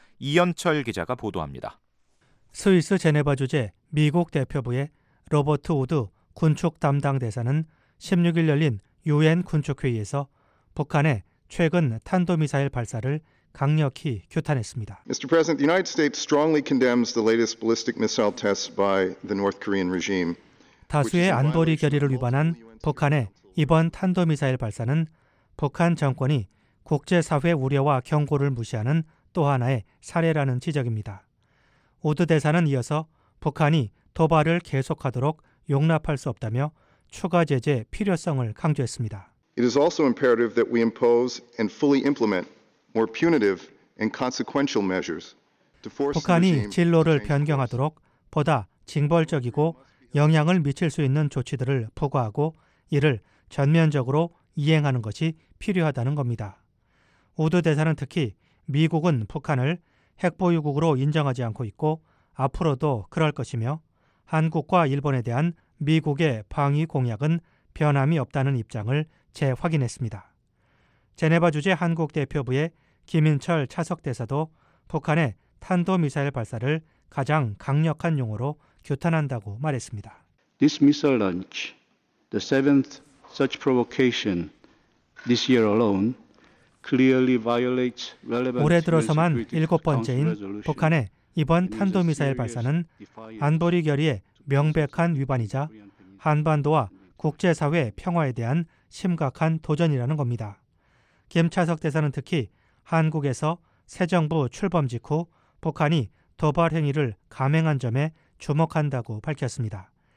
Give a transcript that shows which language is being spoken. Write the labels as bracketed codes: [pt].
[ko] 이현철 기자가 보도합니다. 스위스 제네바 주재 미국 대표부의 로버트 우드 군축 담당 대사는 16일 열린 유엔 군축회의에서 북한의 최근 탄도미사일 발사를 강력히 규탄했습니다. [en] Mr. President, the United States strongly condemns the latest ballistic missile test by the North Korean regime. [ko] 다수의 안보리 결의를 위반한 북한의 이번 탄도미사일 발사는 북한 정권이 국제사회 우려와 경고를 무시하는 또 하나의 사례라는 지적입니다. 우드 대사는 이어서 북한이 도발을 계속하도록 용납할 수 없다며 추가 제재 필요성을 강조했습니다. [en] It is also imperative that we impose and fully implement more punitive and consequential measures to force [ko] 북한이 진로를 변경하도록 보다 징벌적이고 영향을 미칠 수 있는 조치들을 부과하고 이를 전면적으로 이행하는 것이 필요하다는 겁니다. 우드 대사는 특히 미국은 북한을 핵보유국으로 인정하지 않고 있고 앞으로도 그럴 것이며 한국과 일본에 대한 미국의 방위 공약은 변함이 없다는 입장을 재확인했습니다. 제네바 주재 한국 대표부의 김인철 차석 대사도 북한의 탄도미사일 발사를 가장 강력한 용어로 규탄한다고 말했습니다. [en] This missile launch, the seventh such provocation this year alone, clearly violates relevant [ko] 올해 들어서만 일곱 번째인 북한의 이번 탄도미사일 발사는 안보리 결의의 명백한 위반이자 한반도와 국제사회 평화에 대한 심각한 도전이라는 겁니다. 김 차석 대사는 특히 한국에서 새 정부 출범 직후 북한이 도발 행위를 감행한 점에 주목한다고 밝혔습니다.